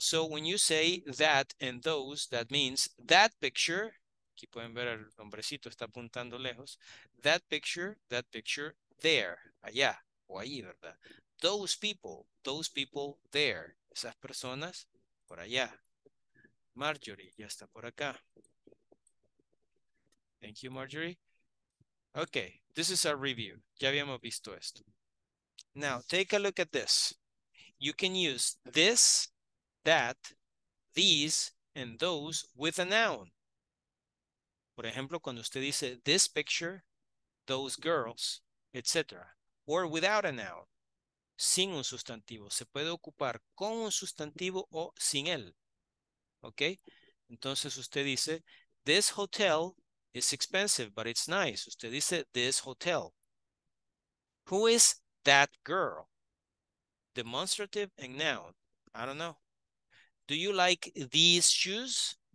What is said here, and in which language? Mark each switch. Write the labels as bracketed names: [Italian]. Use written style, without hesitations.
[English] So when you say that and those, that means that picture. [Spanish] Aquí pueden ver el hombrecito, está apuntando lejos. [English] That picture there, [Spanish] allá o ahí, ¿verdad? [English] Those people there. [Spanish] Esas personas por allá. Marjorie, ya está por acá. [English] Thank you, Marjorie. Okay, this is a review. [Spanish] Ya habíamos visto esto. [English] Now, take a look at this. You can use this, that, these, and those with a noun. [Spanish] Por ejemplo, cuando usted dice [English] this picture, those girls, [Spanish] etc. [English] Or without a noun. [Spanish] Sin un sustantivo. Se puede ocupar con un sustantivo o sin él. [English] Okay, [Spanish] entonces usted dice, [English] this hotel is expensive, but it's nice. [Spanish] Usted dice, [English] this hotel. Who is that girl? Demonstrative and noun. I don't know. Do you like these shoes?